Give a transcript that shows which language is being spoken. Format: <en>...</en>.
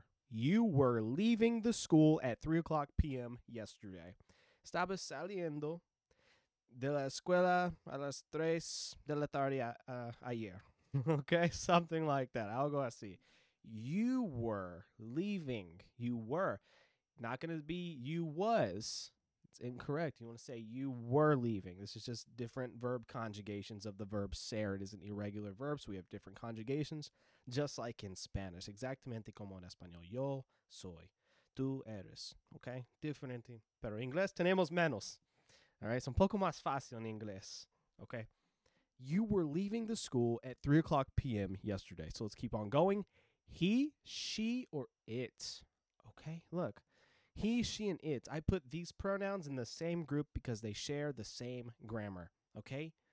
<en>You were leaving the school at 3 o'clock p.m. yesterday.</en> <es>Estaba saliendo de la escuela a las 3 de la tarde ayer.</es> <en>Okay, something like that.</en> <es>Algo así.</es> <en>You were leaving. You were. Not going to be you was. It's incorrect. You want to say you were leaving. This is just different verb conjugations of the verb ser. It is an irregular verb, so we have different conjugations. Just like in Spanish,</en> <es>exactamente como en español. Yo soy, tú eres,</es> <en>okay?</en> <es>Diferente, pero en inglés tenemos menos.</es> <en>All right,</en> <es>es un poco más fácil en inglés, okay?</es> <en>You were leaving the school at 3 o'clock p.m. yesterday, so let's keep on going. He, she, or it, okay? Look, he, she, and it. I put these pronouns in the same group because they share the same grammar, okay?</en>